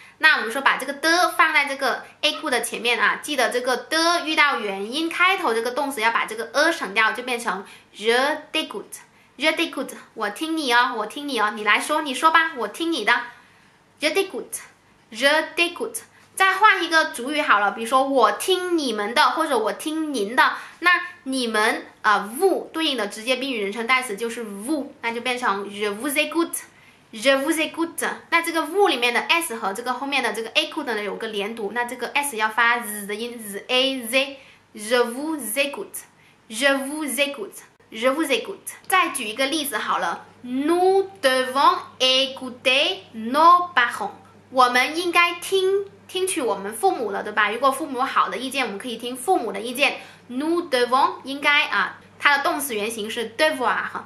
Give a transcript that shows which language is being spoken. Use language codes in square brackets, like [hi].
[zh] 那我们说把这个的放在这个 écoute 的前面啊，记得这个的遇到元音开头这个动词要把这个 a 省掉，就变成 [fr] je t'écoute， [zh] je t'écoute， 我听你哦，我听你哦，你来说，你说吧，我听你的， je t'écoute， je t'écoute。再换一个主语好了，比如说我听你们的或者我听您的，那你们vous 对应的直接宾语人称代词就是 vous， 那就变成 [fr] je vous écoute， [zh] je vous écoute。那这个 vous 里面的 s 和这个后面的这个 écoute 呢有个连读，那这个 s 要发 z 的音， z a z， [fr] je vous écoute， [zh] je vous écoute， je vous écoute。再举一个例子好了， [fr] nous devons écouter nos parents， [zh] 我们应该听取我们父母的，对吧？如果父母有好的意见，我们可以听父母的意见。Nous devons 应该啊，它的动词原形是 devoir。